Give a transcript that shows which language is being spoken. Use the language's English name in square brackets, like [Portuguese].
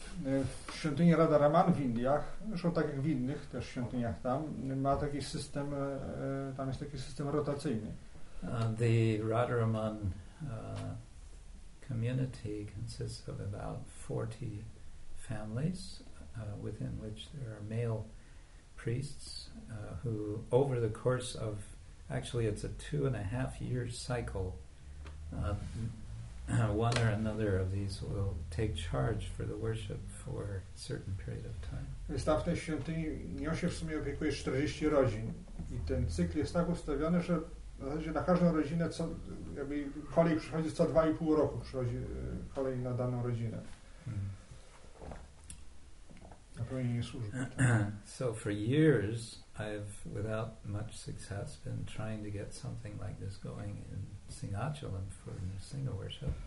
[Polish] W świątyni Radha Raman w Indiach, zresztą tak jak w innych też świątyniach tam, ma taki system, tam jest taki system rotacyjny. [English] The Radha Raman community consists of about 40 families within which there are male priests who over the course of, actually it's a 2.5 year cycle, one or another of these will take charge for the worship for a certain period of time. [Polish] Staw tej świątyni nią się w sumie opiekuje 40 rodzin i ten cykl jest tak ustawiony, że w zasadzie na każdą rodzinę co, jakby kolej przychodzi co 2,5 roku przychodzi kolej na daną rodzinę. Na pełnienie służby. [English] So for years I've, without much success, been trying to get something like this going in Singhachalam for Nrsingha worship.